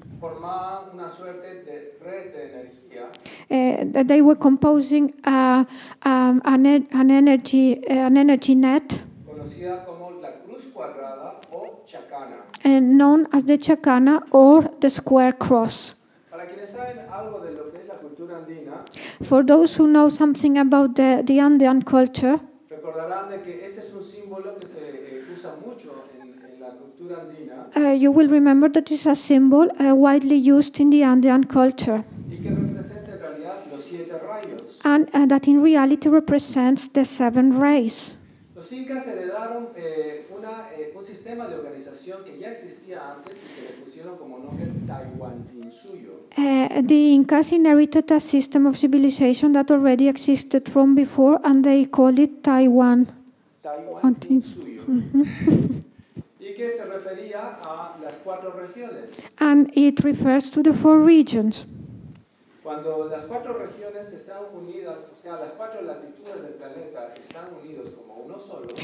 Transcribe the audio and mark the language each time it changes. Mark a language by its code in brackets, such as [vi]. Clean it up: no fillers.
[es] una suerte de red de energía, [en] they were composing an energy net [es] conocida como la cruz cuadrada o chacana, [en] known as the chacana or the square cross. [es] Para quienes saben algo de lo que es la cultura andina, [en] for those who know something about the Andean culture, [es] recordarán de que este es un símbolo que se usa mucho en la cultura andina. [en] You will remember that it's a symbol widely used in the Andean culture. [es] Y que representa en realidad los siete rayos. [en] And that in reality represents the seven rays. [es] Los incas heredaron un sistema de organización que ya existía antes y que le pusieron como nombre Taiwantinsuyo. [en] The Incas inherited a system of civilization that already existed from before, and they called it Taiwan. [es] Taiwantinsuyo. Y que se refería a las cuatro regiones. [en] And it refers to the four regions. [es] Cuando las cuatro regiones están unidas, o sea, las cuatro latitudes del planeta están unidos como uno solo.